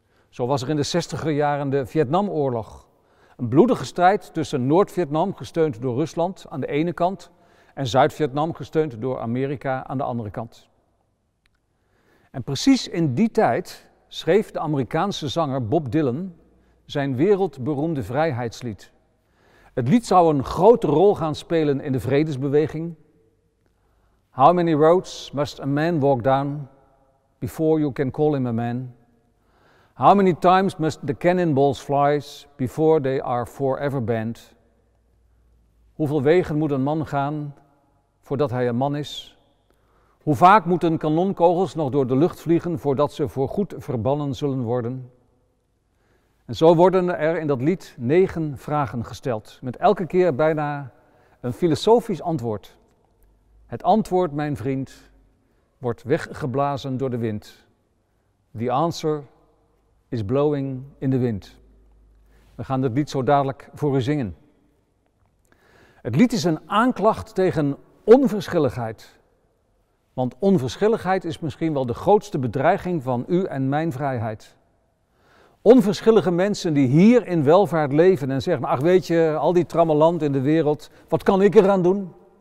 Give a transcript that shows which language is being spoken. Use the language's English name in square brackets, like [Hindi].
[Dutch] Zo was er in de 60er jaren de Vietnamoorlog. Een bloedige strijd tussen Noord-Vietnam, gesteund door Rusland aan de ene kant, en Zuid-Vietnam, gesteund door Amerika aan de andere kant. En precies in die tijd schreef de Amerikaanse zanger Bob Dylan zijn wereldberoemde vrijheidslied. Het lied zou een grote rol gaan spelen in de vredesbeweging. [English] How many roads must a man walk down before you can call him a man? How many times must the cannonballs fly before they are forever banned? [Dutch] Hoeveel wegen moet een man gaan voordat hij een man is? Hoe vaak moeten kanonkogels nog door de lucht vliegen voordat ze voorgoed verbannen zullen worden? En zo worden er in dat lied 9 vragen gesteld, met elke keer bijna een filosofisch antwoord. Het antwoord, mijn vriend, wordt weggeblazen door de wind. [English] The answer is blowing in the wind. [Dutch] We gaan het lied zo dadelijk voor u zingen. Het lied is een aanklacht tegen onverschilligheid. Want onverschilligheid is misschien wel de grootste bedreiging van u en mijn vrijheid. Onverschillige mensen die hier in welvaart leven en zeggen, ach weet je, al die trammeland in de wereld, wat kan ik eraan doen?